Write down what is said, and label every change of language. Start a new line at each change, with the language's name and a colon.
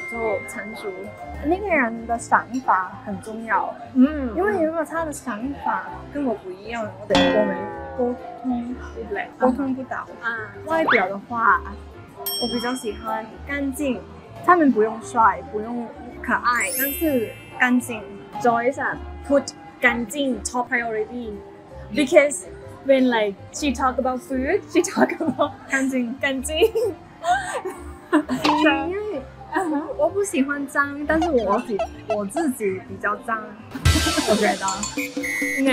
Chinese: 就成熟那个人的想法很重要嗯因为如果他的想法跟我不一样我们沟通不到、外表的话我比较喜欢干净他们不用帅不用可爱但是干净
English: Joyce put 干净 top priority becauseWhen like she talk about food, she talk about
Chinese: 干净干净。因为我不喜欢脏，但是我自己比较脏，我觉得。